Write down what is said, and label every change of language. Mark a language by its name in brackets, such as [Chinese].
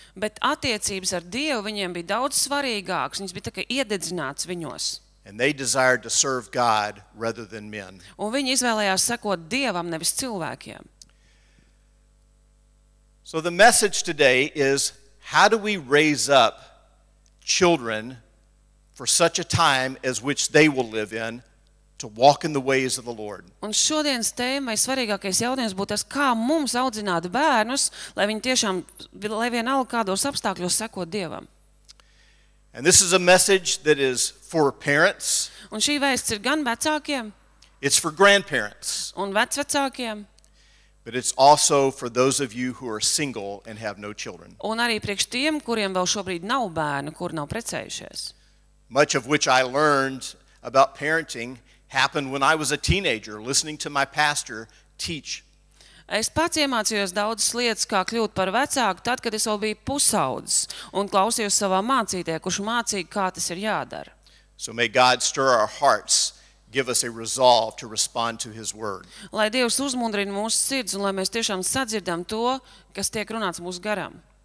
[Latvian] Bet attiecības ar Dievu viņiem bija daudz svarīgākas, viņas bija tikai iededzināts viņos. [English] And they desired to serve God rather than men. [Latvian] Un viņi izvēlējās sekot Dievam, nevis cilvēkiem. [English] So the message today is, how do we raise up children for such a time as which they will live in, to walk in the ways of the Lord. [Latvian] Un šodienas tēmai svarīgākais jautājums būtu tas, kā mums audzināt bērnus, lai viņi tiešām, lai vienalga kādos apstākļos sekot Dievam. [English] And this is a message that is for parents. [Latvian] Un šī vēsts ir gan vecākiem. [English] It's for grandparents. [Latvian] Un vecvecākiem. [English] But it's also for those of you who are single and have no children. [Latvian] Un arī priekš tiem, kuriem vēl šobrīd nav bērnu, kuri nav precējušies. [English] Much of which I learned about parenting happened when I was a teenager listening to my pastor teach. [Latvian] Es pats iemācījos daudzas lietas, kā kļūt par vecāku, tad kad es vēl biju pusaudzis un klausījos savā mācītāja, kurš mācīja, kā tas ir jādara. [English] So may God stir our hearts, give us a resolve to respond to his word. [Latvian] Lai Dievs uzmundrina mūsu sirds un lai mēs tiešām sadzirdam to, kas tiek runāts mūsu garam.